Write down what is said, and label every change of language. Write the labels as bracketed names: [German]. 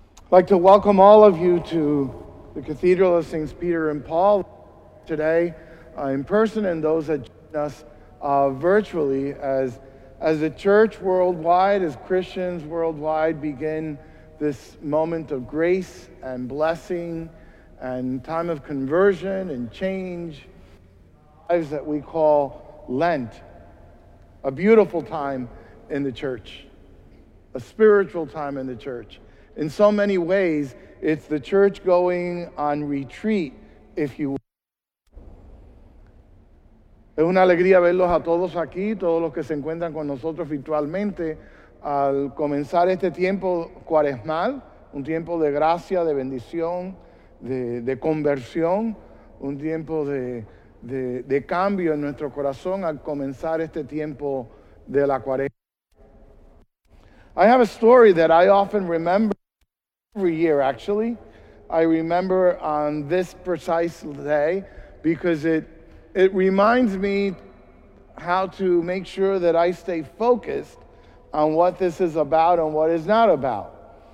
[English] I'd like to welcome all of you to the Cathedral of Saints Peter and Paul today in person, and those that join us virtually as the church worldwide, as Christians worldwide begin this moment of grace and blessing and time of conversion and change lives that we call Lent, a beautiful time in the church, a spiritual time in the church. In so many ways, it's the church going on retreat, if you will. [Spanish] Es una alegría verlos a todos aquí, todos los que se encuentran con nosotros virtualmente, al comenzar este tiempo cuaresmal, un tiempo de gracia, de bendición, de conversión, un tiempo de cambio en nuestro corazón al comenzar este tiempo de la cuaresma. [English] I have a story that I often remember every year, actually. I remember on this precise day because it reminds me how to make sure that I stay focused on what this is about and what it's not about.